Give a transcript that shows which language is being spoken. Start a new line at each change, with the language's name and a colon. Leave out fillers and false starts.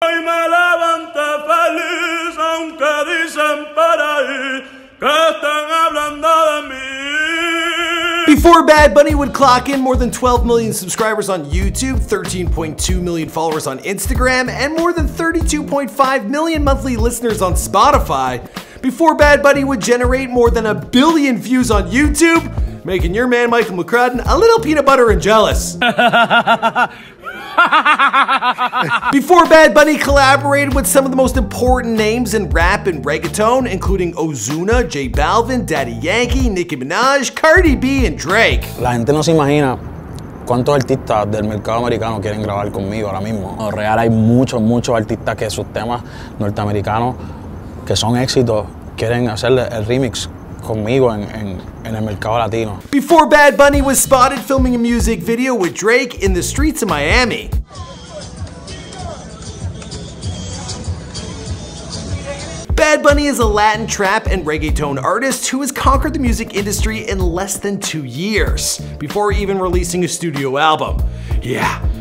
Spanish: Hoy me levanté feliz, aunque dicen por ahí que están hablando de mí.
English: Before Bad Bunny would clock in more than 12 million subscribers on YouTube, 13.2 million followers on Instagram, and more than 32.5 million monthly listeners on Spotify, before Bad Bunny would generate more than a billion views on YouTube, making your man Michael McCrudden a little peanut butter and jealous. Before Bad Bunny collaborated with some of the most important names in rap and reggaeton, including OZUNA, J Balvin, Daddy Yankee, Nicki Minaj, Cardi B, and Drake.
Spanish: La gente no se imagina cuántos artistas del mercado americano quieren grabar conmigo ahora mismo. En real hay muchos, muchos artistas que sus temas norteamericanos que son éxitos quieren hacerle el remix. Conmigo en el mercado latino.
English: Before Bad Bunny was spotted filming a music video with Drake in the streets of Miami. Bad Bunny is a Latin trap and reggaeton artist who has conquered the music industry in less than 2 years before even releasing a studio album. Yeah.